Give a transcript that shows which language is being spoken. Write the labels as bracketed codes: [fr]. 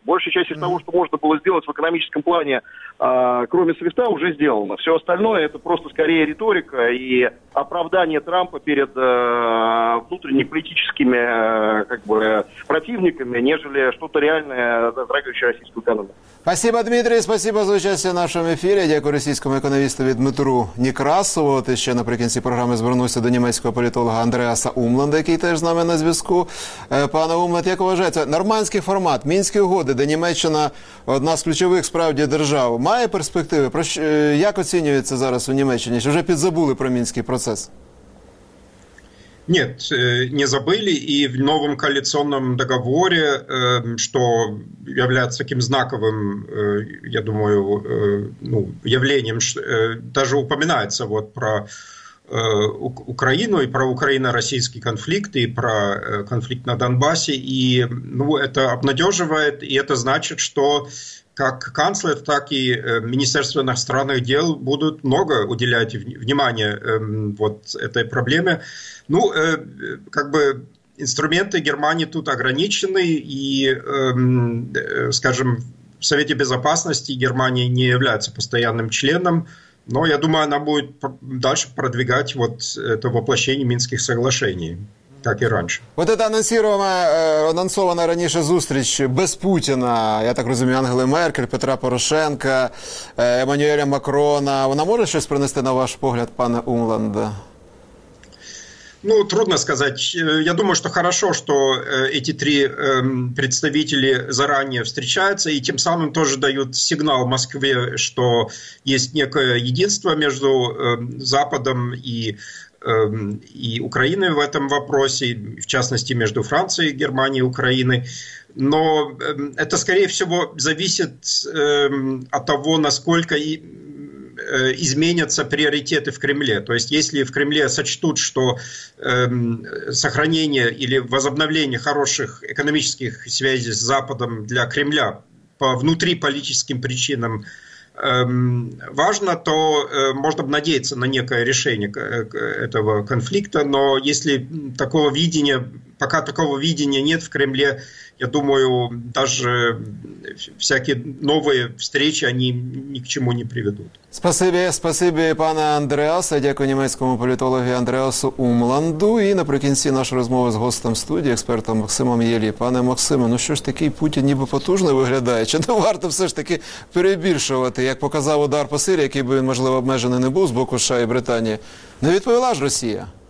[ru] Большая часть из того, что можно было сделать в экономическом плане, кроме свифта, уже сделано. Все остальное это просто скорее риторика и оправдание Трампа перед внутренними политическими как бы, противниками, нежели что-то реальное, затрагивающее российскую экономику. Спасибо, Дмитрий, спасибо за участие в нашем эфире. [uk] Дякую російському економісту Дмитру Некрасову. Ти ще наприкінці програми звернувся до німецького політолога Андреаса Умланда, який теж з нами на зв'язку. Пане Умланд, як вважається, нормандський формат, Мінські угоди, де Німеччина одна з ключових справді держав, має перспективи? Про що, як оцінюється зараз у Німеччині? Чи вже підзабули про Мінський процес? [ru] Нет, не забыли, и в новом коалиционном договоре, что является таким знаковым, я думаю, ну, явлением, даже упоминается вот про Украину и про украино-российский конфликт, и про конфликт на Донбассе, и ну, это обнадеживает, и это значит, что как канцлер, так и Министерство иностранных дел будут много уделять внимания вот этой проблеме. Ну, как бы инструменты Германии тут ограничены, и, скажем, в Совете Безопасности Германия не является постоянным членом, но я думаю, она будет дальше продвигать вот это воплощение Минских соглашений. [uk] Так і раніше. От це анонсована раніше зустріч без Путіна, я так розумію, Ангели Меркель, Петра Порошенка, Еммануеля Макрона. Вона може щось принести на ваш погляд, пане Умланда? [ru] Ну, трудно сказать. Я думаю, что хорошо, что эти три представители заранее встречаются и тем самым тоже дают сигнал Москве, что есть некое единство между Западом и Украиной в этом вопросе, в частности, между Францией, Германией и Украиной. Но это, скорее всего, зависит от того, насколько изменятся приоритеты в Кремле. То есть, если в Кремле сочтут, что сохранение или возобновление хороших экономических связей с Западом для Кремля по внутриполитическим причинам важно, то можно бы надеяться на некое решение этого конфликта, но если такого видения, пока такого видения нет в Кремле, я думаю, даже всякие новые встречи они ни к чему не приведут. Спасибо, пане Андреасе. [uk] Дякую німецькому політологу Андреасу Умланду. І наприкінці нашої розмови з гостем студії, експертом Максимом Єлі. Пане Максиме, ну що ж такий Путін ніби потужно виглядає? Чи не варто все ж таки перебільшувати? Як показав удар по Сирії, який би він, можливо, обмежений не був з боку США і Британії, не відповіла ж Росія?